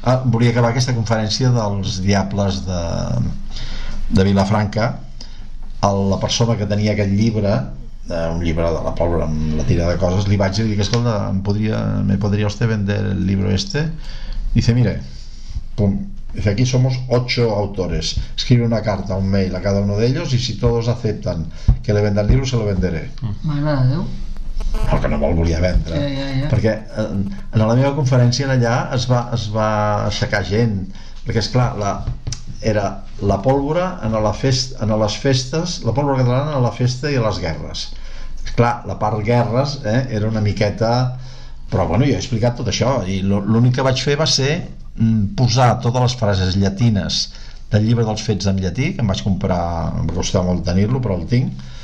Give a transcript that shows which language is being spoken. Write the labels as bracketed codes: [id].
[ca] volia acabar aquesta conferència dels diables de Vilafranca. La persona que tenia aquest llibre, un llibre de la pobra amb la tira de coses, li vaig dir que, escolta, [es] me podria usted vender el libro este? Dice, mire, pum, dice, aquí somos 8 autores, escribe una carta, un mail a cada uno de ellos y si todos aceptan que le venda el libro, se lo venderé. [ca] Mare de Déu. El que no me'l volia vendre, ja, ja, ja. Perquè en la meva conferència allà es va aixecar gent, perquè és clar, era la pólvora en les festes, la pólvora catalana a la festa i a les guerres. És clar, la part guerres, era una miqueta, però bueno, jo he explicat tot això i l'únic que vaig fer va ser posar totes les frases llatines del llibre dels fets en llatí, que em vaig comprar, em va costar molt tenir-lo, però el tinc.